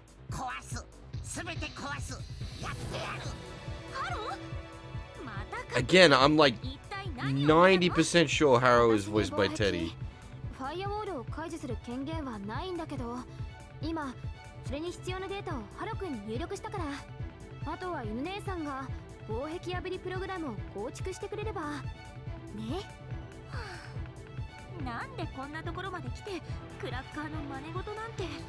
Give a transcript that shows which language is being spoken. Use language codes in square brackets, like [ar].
[ja] 壊す、すべて壊す、やってやる！ハロー？ またか？ [en] Again, I'm like 90% sure Haro is voiced by Teddy. [ja] ファイアウォールを解除する権限はないんだけど、今それに必要なデータをハロ君に入力したから、あとは犬姉さんが防壁破りプログラムを構築してくれればね。なんでこんなところまで来て、クラッカーの真似事なんて。